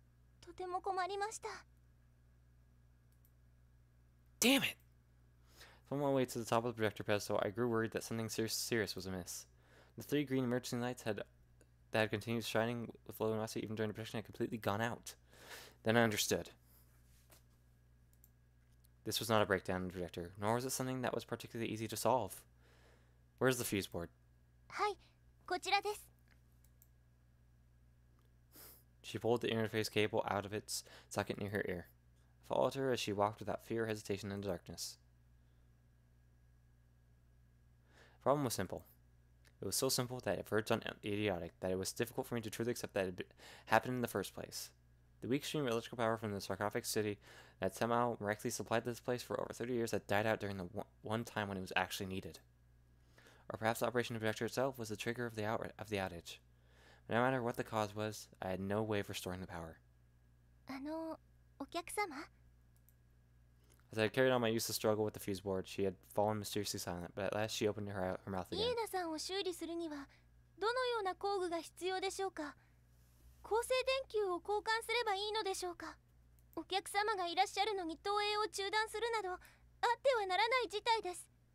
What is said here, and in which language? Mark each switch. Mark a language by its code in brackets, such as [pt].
[ja] イエナさんが反応しません。すべての投影装置および稼働軸が動きません。私単体では対処できない重大な事態です。とても困りました。 [en] Damn it! From my way to the top of the projector pedestal, I grew worried that something serious was amiss. The three green emergency lights that had continued shining with low luminosity even during the projection had completely gone out. Then I understood. This was not a breakdown in the projector, nor was it something that was particularly easy to solve. Where's the fuse board? [ja] はい、こちらです。 [en] She pulled the interface cable out of its socket near her ear. I followed her as she walked without fear or hesitation in the darkness. The problem was simple. It was so simple that it verged on idiotic, that it was difficult for me to truly accept that it happened in the first place. The weak stream of electrical power from the sarcophagic city that somehow miraculously supplied this place for over 30 years had died out during the one time when it was actually needed. Or perhaps the operation of the projector itself was the trigger of the outage. But no matter what the cause was, I had no way of restoring the power. [ja] お客様? [en] As I had carried on my useless struggle with the fuse board, she had fallen mysteriously silent, but at last she opened her mouth again. [ja] イエナさんを修理するにはどのような工具が必要でしょうか? 恒星電球を交換すればいいのでしょうか?お客様がいらっしゃるのに投影を中断するなどあってはならない事態です。